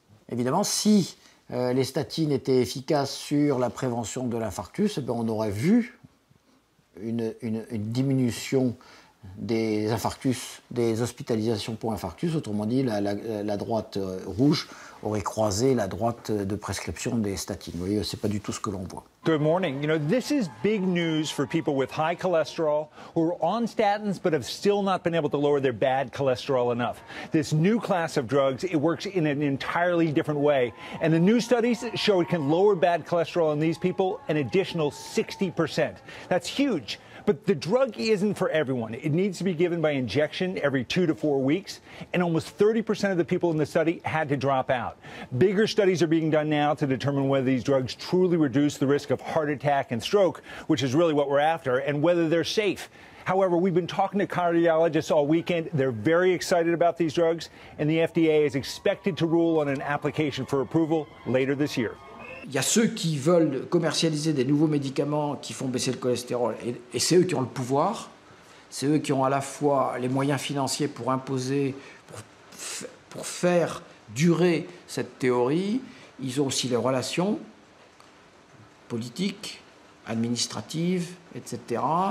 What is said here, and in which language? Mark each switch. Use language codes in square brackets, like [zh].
[fr] Évidemment, si les statines étaient efficaces sur la prévention de l'infarctus, et bien on aurait vu une diminution des infarctus, des hospitalisations pour infarctus. Autrement dit, la droite rouge aurait croisé la droite de prescription des statines. Vous voyez, c'est pas du tout ce que l'on voit. [en] Good morning. You know, this is big news for people with high cholesterol who are on statins but have still not been able to lower their bad cholesterol enough. This new class of drugs, it works in an entirely different way. And the new studies show it can lower bad cholesterol in these people an additional 60%. That's huge. But the drug isn't for everyone. It needs to be given by injection every 2 to 4 weeks, and almost 30% of the people in the study had to drop out. Bigger studies are being done now to determine whether these drugs truly reduce the risk of heart attack and stroke, which is really what we're after, and whether they're safe. However, we've been talking to cardiologists all weekend. They're very excited about these drugs, and the FDA is expected to rule on an application for approval later this year. [fr] Il y a ceux qui veulent commercialiser des nouveaux médicaments qui font baisser le cholestérol, et c'est eux qui ont le pouvoir. C'est eux qui ont à la fois les moyens financiers pour imposer, pour faire durer cette théorie. Ils ont aussi les relations politiques, administratives, etc.